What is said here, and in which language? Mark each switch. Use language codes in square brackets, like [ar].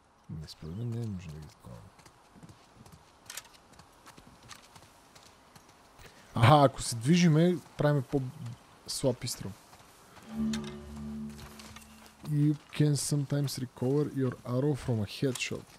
[bg] Не според мен, не е нужно да ги такова. Аха, ако се движиме, правим по-слаб изстрел. [en] You can sometimes recover your arrow from a headshot.